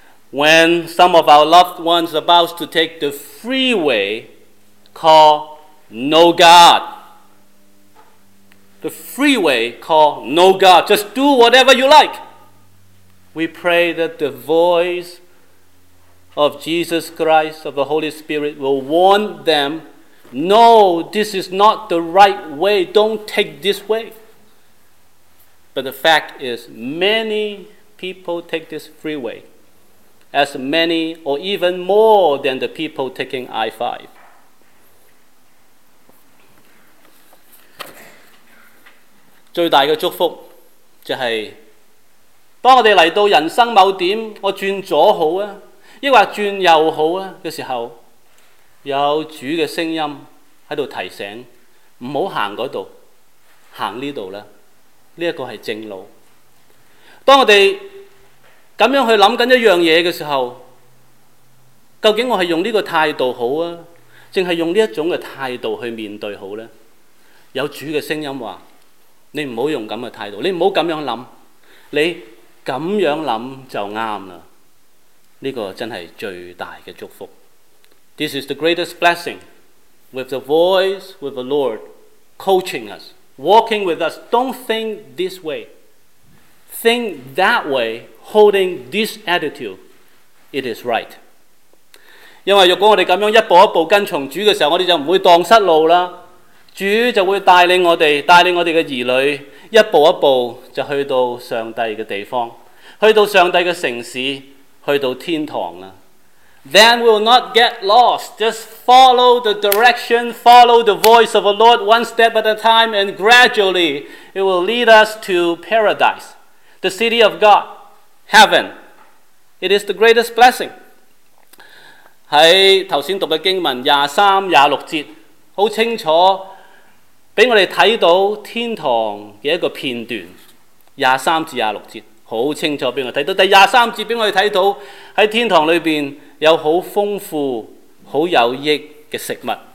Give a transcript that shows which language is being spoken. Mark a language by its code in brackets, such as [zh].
[en] When some of our loved ones about to take the freeway called no God, the freeway called no God, just do whatever you like, we pray that the voice of Jesus Christ, of the Holy Spirit, will warn them, no, this is not the right way, don't take this way. But the fact is, many people take this freeway. As many or even more than the people taking I-5. [yue] 最大的祝福就是，当我们来到人生某点，我转左好啊，抑或转右好啊的时候，有主的声音在这里提醒，不要走那里，走这里了，这个是正路。当我们这样去想一样东西的时候，究竟我是用这个态度好，还是用这种态度去面对好呢？有主的声音说，你不要用这样的态度，你不要这样想，你这样想就对了。这个真是最大的祝福。 [en] This is the greatest blessing, with the voice, with the Lord coaching us, walking with us, don't think this way, think that way,Holding this attitude, it is right. [yue] 因为如果我们这样一步一步跟从主的时候，我们就不会荡失路了。主就会带领我们，带领我们的儿女，一步一步就去到上帝的地方，去到上帝的城市，去到天堂了。 [en] Then we'll not get lost. Just follow the direction, follow the voice of the Lord one step at a time, and gradually it will lead us to paradise, the city of God. Heaven, it is the greatest blessing. [yue] 在刚才读的经文23、26节，很清楚让我们看到天堂的一个片段。 23至26节，很清楚让我们看到。第23节让我们看到在天堂里面有很丰富、很有益的食物。